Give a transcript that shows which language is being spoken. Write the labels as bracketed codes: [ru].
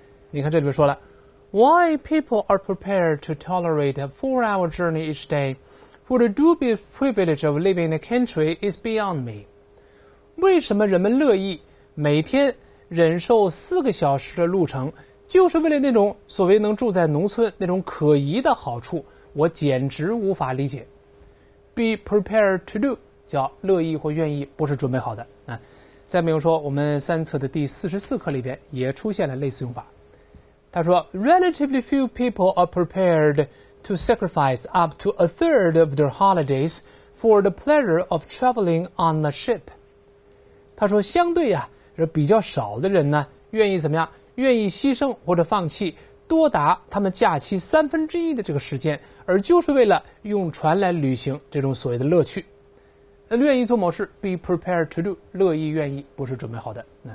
[zh] 你看这里面说了， [en] Why people are prepared to tolerate a 4-hour journey each day for the dubious privilege of living in a country is beyond me. [zh] 为什么人们乐意每天忍受4小时的路程，就是为了那种所谓能住在农村那种可疑的好处，我简直无法理解。 [en] Be prepared to do [zh] 叫乐意或愿意，不是准备好的。再比如说我们三册的第44课里边也出现了类似用法，他说 [en] Relatively few people are prepared to sacrifice up to a third of their holidays for the pleasure of traveling on a ship. [zh] 他说相对啊，是比较少的人呢愿意怎么样，愿意牺牲或者放弃多达他们假期1/3的这个时间，而就是为了用船来旅行这种所谓的乐趣。愿意做某事 [en] be prepared to do [zh] 乐意愿意，不是准备好的。